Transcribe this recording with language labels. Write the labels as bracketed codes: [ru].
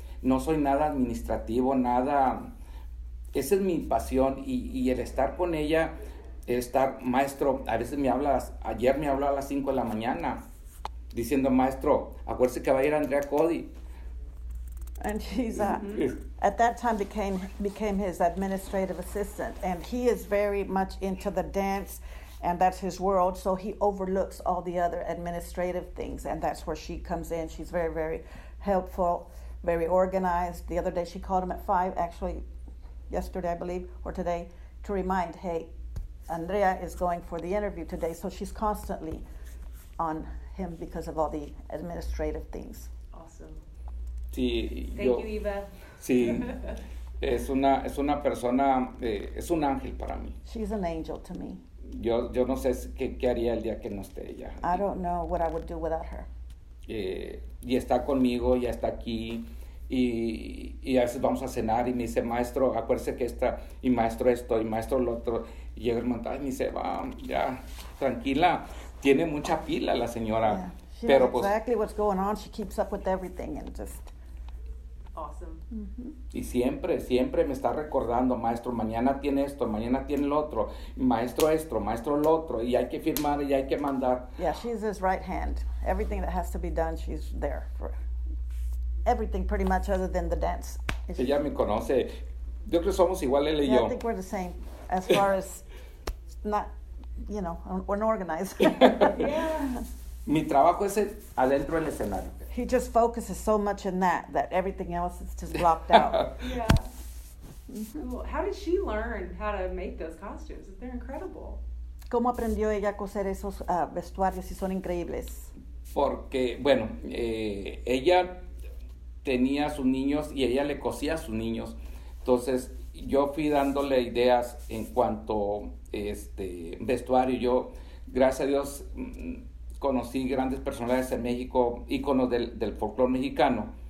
[es] No soy nada administrativo, nada, esa es mi pasión y el estar con ella, estar, maestro, a veces me hablas, ayer me habló a las 5 de la mañana, diciendo, maestro, acuérdese que va a ir Andrea Cody. [en] And she's, at that time became his administrative assistant, and he is very much into the dance, and that's his world, so he overlooks all the other administrative things, and that's where she comes in. She's very, very helpful, very organized. The other day she called him at 5, actually yesterday, I believe, or today, to remind, hey, Andrea is going for the interview today, so she's constantly on him because of all the administrative things. Awesome. [es] Sí, [en] Thank you, Eva. [es] Sí, es una persona, es un ángel para mí. [en] She's an angel to me. [es] Yo no sé qué haría el día que no esté ella. [en] I don't know what I would do without her. [es] Y está conmigo, ya está aquí. Y a veces vamos a cenar y me dice, maestro, acuérdese que está. Y maestro esto, y maestro lo otro. Y llega el montaje y me dice, va, ya, tranquila. Tiene mucha pila la señora. [en] Yeah, she [es] pero [en] knows [es] pues, [en] exactly what's going on. She keeps up with everything and just... Awesome. [es] Mm-hmm. Y siempre me está recordando, maestro, mañana tiene esto, mañana tiene el otro, maestro esto, maestro el otro, y hay que firmar y hay que mandar. [en] Yeah, she's his right hand. Everything that has to be done, she's there for everything pretty much other than the dance. [es] Ella me conoce. Yo creo que somos igual él y [en] yeah, [es] yo. [en] I think we're the same as far as not, you know, we're organized. Yeah. [es] Mi trabajo es adentro del escenario. [en] He just focuses so much in that everything else is just blocked out. Yeah. Well, how did she learn how to make those costumes? They're incredible. [es] ¿Cómo aprendió ella a coser esos vestuarios? Si son increíbles. Porque, bueno, ella tenía sus niños y ella le cosía a sus niños. Entonces, yo fui dándole ideas en cuanto este vestuario. Yo, gracias a Dios, conocí grandes personalidades en México, íconos del folclore mexicano.